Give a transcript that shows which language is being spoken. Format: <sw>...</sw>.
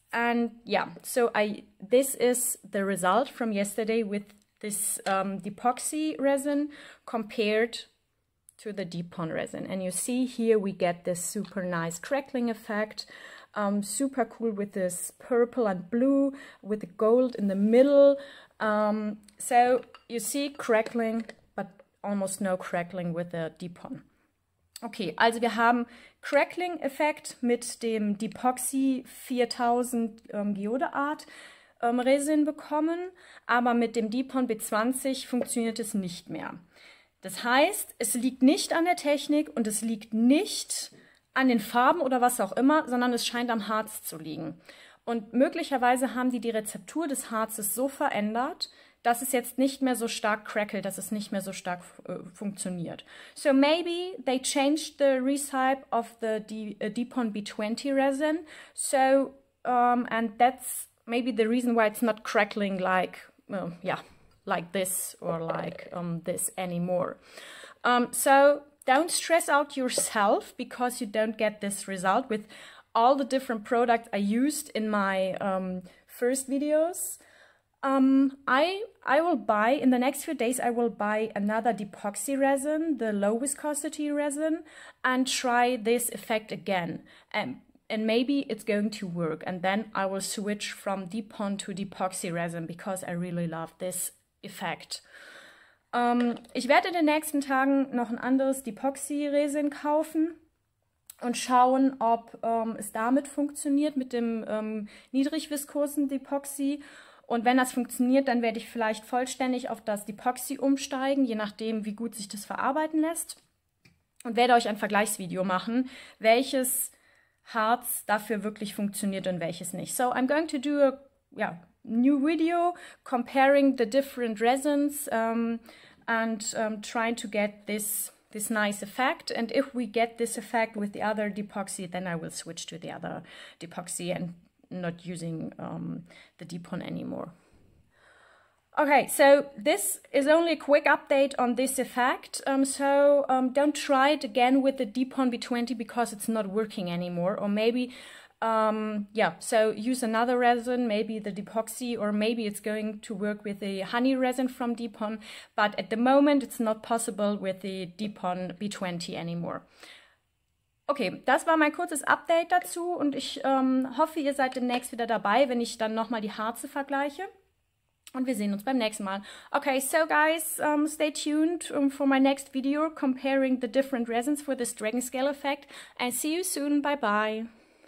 <en>And yeah, so this is the result from yesterday with this Depoxy resin compared to the Dipon resin. And you see here we get this super nice crackling effect. Super cool with this purple and blue with the gold in the middle. So you see crackling, but almost no crackling with the Dipon.</en> <de>Okay, also wir haben crackling effekt mit dem Depoxy 4000 Geode Art Resin bekommen, aber mit dem Dipon B20 funktioniert es nicht mehr. Das heißt, es liegt nicht an der Technik und es liegt nicht an den Farben oder was auch immer, sondern es scheint am Harz zu liegen. Und möglicherweise haben sie die Rezeptur des Harzes so verändert, dass es jetzt nicht mehr so stark crackelt, dass es nicht mehr so stark funktioniert.</de> <en>So maybe they changed the recipe of the Dipon B20 resin. So, and that's maybe the reason why it's not crackling like, like this or like this anymore. So don't stress out yourself because you don't get this result with all the different products I used in my first videos. I will buy, in the next few days, I will buy another Depoxy resin, the low viscosity resin, and try this effect again. And maybe it's going to work. And then I will switch from Dipon to Depoxy resin because I really love this effect.</en> <de>Ich werde in den nächsten Tagen noch ein anderes Depoxy-Resin kaufen, und schauen, ob es damit funktioniert, mit dem niedrigviskosen Epoxy. Und wenn das funktioniert, dann werde ich vielleicht vollständig auf das Epoxy umsteigen, je nachdem, wie gut sich das verarbeiten lässt. Und werde euch ein Vergleichsvideo machen, welches Harz dafür wirklich funktioniert und welches nicht.</de> <en>So, I'm going to do a new video comparing the different resins and trying to get this nice effect. And if we get this effect with the other Depoxy, then I will switch to the other Depoxy and not using the Dipon anymore. Okay, so this is only a quick update on this effect. So don't try it again with the Dipon B20 because it's not working anymore. Or maybe, so use another resin, maybe the Depoxy, or maybe it's going to work with the honey resin from Dipon. But at the moment, it's not possible with the Dipon B20 anymore.</en> <de>Okay, das war mein kurzes Update dazu und ich hoffe, ihr seid demnächst wieder dabei, wenn ich dann nochmal die Harze vergleiche. Und wir sehen uns beim nächsten Mal.</de> <en>Okay, so guys, stay tuned for my next video comparing the different resins for this Dragon Scale effect. And see you soon. Bye bye.</en>